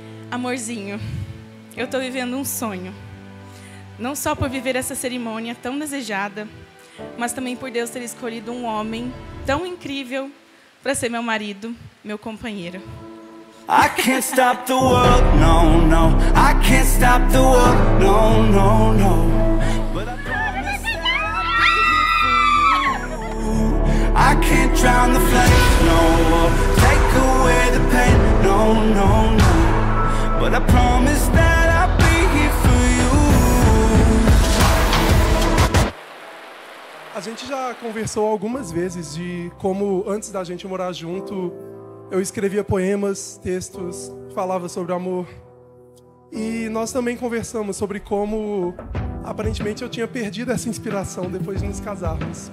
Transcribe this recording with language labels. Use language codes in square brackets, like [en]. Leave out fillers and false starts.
[pt] Amorzinho, eu estou vivendo um sonho. Não só por viver essa cerimônia tão desejada, mas também por Deus ter escolhido um homem tão incrível para ser meu marido, meu companheiro. [en] I can't stop the world, no, no. I can't stop the world, no, no, no. But I promise that I'll be here for you. I can't drown the flames, no. Take away the pain, no, no, no. But I promise that I'll be here for you. [pt] A gente já conversou algumas vezes de como antes da gente morar junto, eu escrevia poemas, textos, falava sobre amor. E nós também conversamos sobre como, aparentemente, eu tinha perdido essa inspiração depois de nos casarmos.